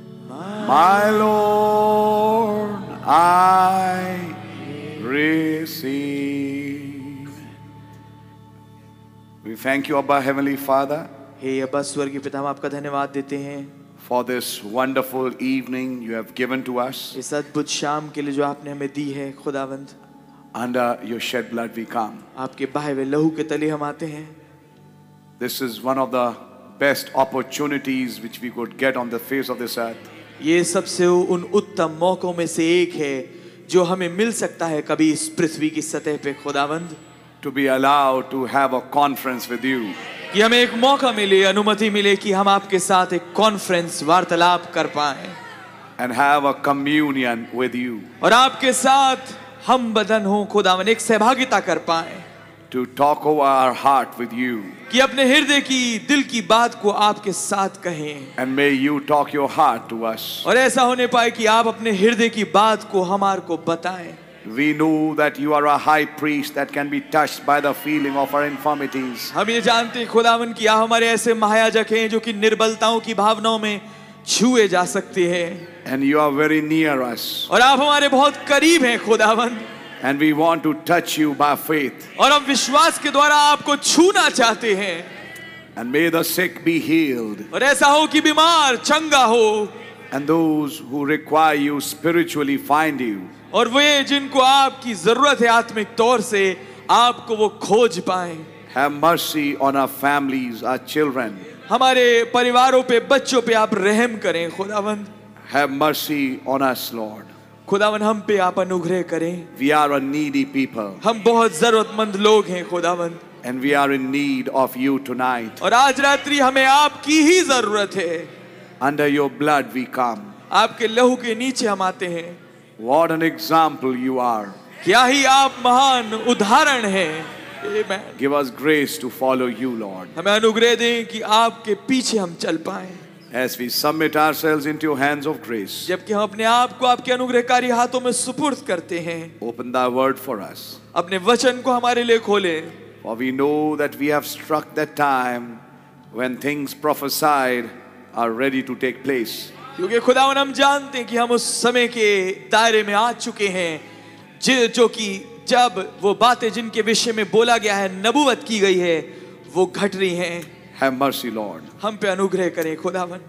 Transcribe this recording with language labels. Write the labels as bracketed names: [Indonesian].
[English] My Lord, I receive. We thank you, Abba Heavenly Father. [Hindi] Hey, Abba Swargi Pita, hum aapka dhanyavaad dete hain. [English] For this wonderful evening you have given to us. [Hindi] Is adbhut sham ke liye jo aapne hame di hai, Khudavand. [English] Under your shed blood we come. [Hindi] आपके बहावे लहू के तले हम आते हैं। [English] This is one of the best opportunities which we could get on the face of this earth. [Hindi] ये सबसे उन उत्तम मौकों में से एक है जो हमें मिल सकता है कभी इस पृथ्वी की सतह पे, खुदावंद। [English] To be allowed to have a conference with you. [Hindi] कि हमें एक मौका मिले, अनुमति मिले कि हम आपके साथ एक कॉन्फ्रेंस वार्तालाप कर पाएं। [English] And have a communion with you. [Hindi] और आपके साथ हम बदन हो, खुदावन, एक सहभागिता कर पाए। [English] To talk over our heart with you. [Hindi] कि अपने हृदय की, दिल की बात को आपके साथ कहें। [English] And may you talk your heart to us. [Hindi] और ऐसा होने पाए कि आप अपने हृदय की बात को हमार को बताएं। [English] We know that you are a high priest that can be touched by the feeling of our infirmities. [Hindi] हम ये जानते हैं, खुदावन, कि आप हमारे ऐसे महायाजक हैं जो कि निर्बलताओं की भावनाओं में छुए जा सकते हैं. [English] And you are very near us. [Hindi] और आप हमारे बहुत करीब हैं खुदावन. [English] And we want to touch you by faith. [Hindi] और हम विश्वास के द्वारा आपको छूना चाहते हैं. [English] And may the sick be healed. [Hindi] और ऐसा हो कि बीमार चंगा हो. [English] And those who require you spiritually find you. [Hindi] और वे जिनको आपकी जरूरत है आत्मिक तौर से आपको वो खोज पाएं. [English] Have mercy on our families, our children. [Hindi] हमारे परिवारों पे बच्चों पे आप रहम करें खुदावंद. [English] Have mercy on us, Lord. [Hindi] खुदावंद हम पे आप अनुग्रह करें. [English] We are a needy people. [Hindi] हम बहुत जरूरतमंद लोग हैं खुदावंद. [English] And we are in need of you tonight. [Hindi] और आज रात्रि हमें आपकी ही जरूरत है. [English] Under your blood we come. [Hindi] आपके लहू के नीचे हम आते हैं. [English] What an example you are. [Hindi] क्या ही आप महान उदाहरण हैं. [English] Amen. Give us grace to follow you, Lord. [Hindi] हमें अनुग्रह दें कि आपके पीछे हम चल पाएं. [English] As we submit ourselves into your hands of grace. [Hindi] जबकि हम अपने आप को आपके अनुग्रहकारी हाथों में सुपुर्द करते हैं. [English] Open thy word for us. [Hindi] अपने वचन को हमारे लिए खोलें. [English] For we know that we have struck that time when things prophesied are ready to take place. [Hindi] क्योंकि खुदावन हम जानते हैं कि हम उस समय के दायरे में आ चुके हैं जो कि जब वो बातें जिनके विषय में बोला गया है नबुवत की गई है वो घट रही हैं. [English] Have mercy, Lord. [Hindi] हम पे अनुग्रह करें खुदावन.